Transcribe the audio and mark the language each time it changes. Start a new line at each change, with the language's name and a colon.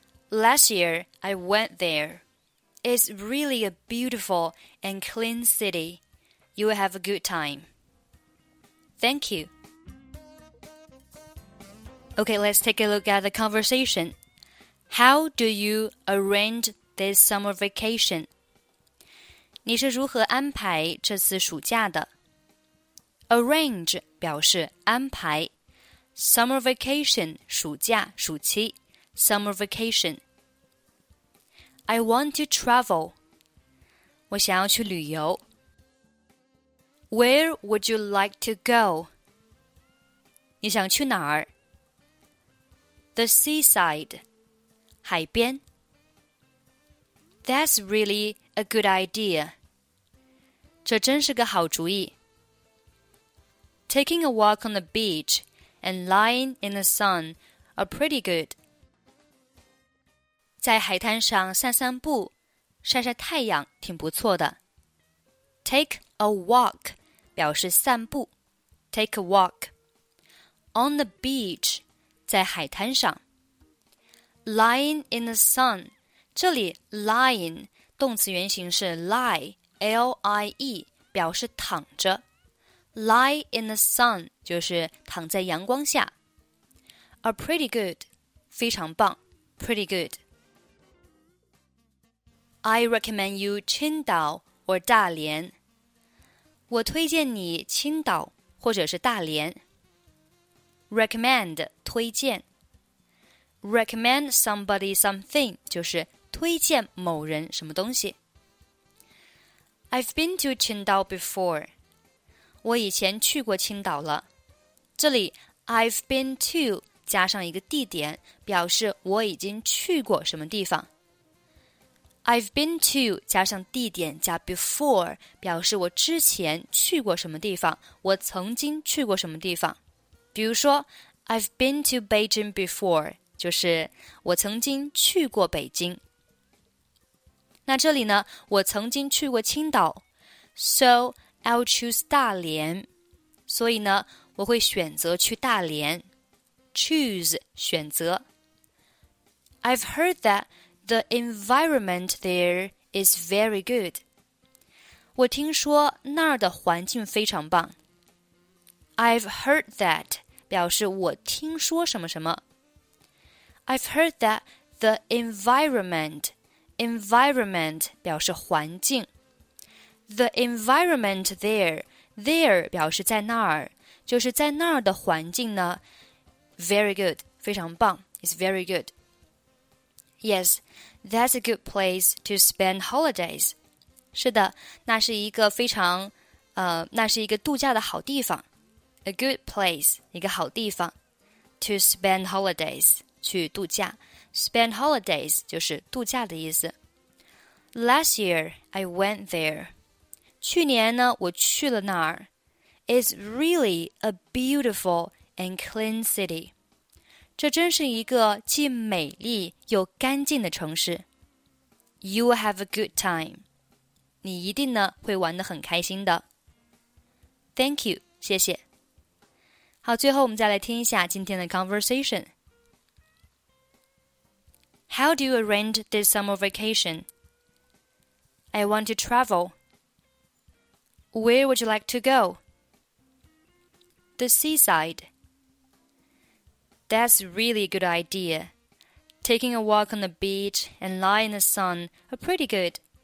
English: Last year, I went there. It's really a beautiful and clean city. You will have a good time. Thank you. Okay, let's take a look at the conversation. How do you arrange this summer vacation?
Chinese: 你是如何安排这次暑假的? Arrange 表示安排。
English: Summer vacation
Chinese: 暑假暑期。
English: Summer vacation. I want to travel.
Chinese: 我想要去旅游。
English: Where would you like to go?
Chinese: 你想去哪儿?
English: The seaside.
Chinese: 海边。
English: That's really a good idea.
Chinese: 这真是个好主意。
English: Taking a walk on the beach and lying in the sun are pretty good.
Chinese: 在海滩上散散步，晒晒太阳挺不错的。
English: Take a walk
Chinese: 表示散步。
English: Take a walk. On the beach
Chinese: 在海滩上。
English: Lying in the sun
Chinese: 这里 lying 动词原形是 lie L-I-E 表示躺着。
English: Lie in the sun
Chinese: 就是躺在阳光下。
English: Are pretty good
Chinese: 非常棒。
English: Pretty good I recommend you Qingdao or Dalian.
Chinese: 我推荐你青岛或者是大连。
English: Recommend,
Chinese: 推荐。
English: Recommend somebody something,
Chinese: 就是推荐某人什么东西。
English: I've been to Qingdao before.
Chinese: 我以前去过青岛了。这里
English: I've been to
Chinese: 加上一个地点表示我已经去过什么地方。
English: I've been to
Chinese: 加上地点加 before 表示我之前去过什么地方，我曾经去过什么地方。比如说
English: I've been to Beijing before
Chinese: 就是我曾经去过北京。那这里呢，我曾经去过青岛。
English: So I'll choose 大连。
Chinese: 所以呢，我会选择去大连。
English: Choose
Chinese: 选择。
English: I've heard thatThe environment there is very good.
Chinese: 我听说那儿的环境非常棒。
English: I've heard that
Chinese: 表示我听说什么什么。
English: I've heard that the environment
Chinese: 表示环境。
English: The environment there
Chinese: 表示在那儿，就是在那儿的环境呢。
English: Very good,
Chinese: 非常棒
English: is very good. Yes, that's a good place to spend holidays.
Chinese: 是的，那是一个非常，那是一个度假的好地方。
English: A good place,
Chinese: 一个好地方。
English: To spend holidays,
Chinese: 去度假。
English: Spend holidays,
Chinese: 就是度假的意思。
English: Last year, I went there.
Chinese: 去年呢，我去了那儿。
English: It's really a beautiful and clean city.
Chinese: 这真是一个既美丽又干净的城市。
English: You will have a good time.
Chinese: 你一定呢会玩得很开心的。
English: Thank you,
Chinese: 谢谢。好，最后我们再来听一下今天的 conversation.
English: How do you arrange this summer vacation? I want to travel. Where would you like to go? The seaside. That's really a good idea. Taking a walk on the beach and lie in the sun are pretty good.